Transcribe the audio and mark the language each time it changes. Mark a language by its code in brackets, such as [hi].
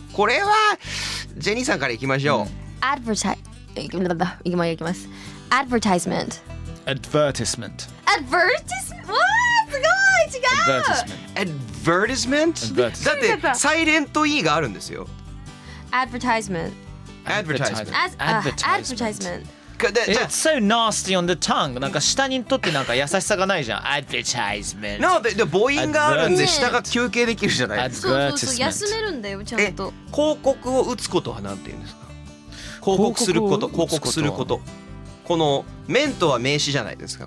[ja] これはジェニーさんからいきましょう。 [en] Advertise。 [ja] いきます。 [en] Advertisement。 Advertisement。 [ja] Advertisement。 わあ、すごい違う。 [en] Advertisement。 [ja] だってサイレント E があるんですよ。 [en] Advertisement。 Advertisement。 Advertisement。 It's so nasty on the tongue. [ja] なんか下にとってなんか優しさがないじゃん。 [en] Advertisement。 [ja] なので母音があるんで下が休憩できるじゃないですか。そうそうそう、休めるんだよちゃんと。広告を打つことはなんて言うんですか。広告すること、広告すること。この面とは名詞じゃないですか。